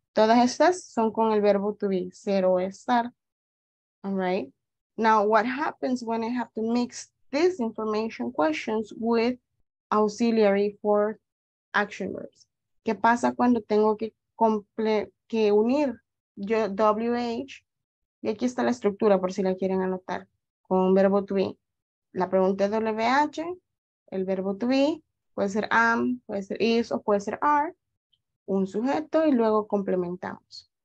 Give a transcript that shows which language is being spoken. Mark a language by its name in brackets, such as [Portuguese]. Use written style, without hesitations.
[Spanish] Todas estas son con el verbo to be, ser o estar. [English] All right. Now, what happens when I have to mix these information questions with auxiliary for action verbs? [Spanish] ¿Qué pasa cuando tengo que unir yo WH? Y aquí está la estructura, por si la quieren anotar, con un verbo to be. La pregunta es WH, el verbo to be, puede ser am, puede ser is, o puede ser are, un sujeto, y luego complementamos.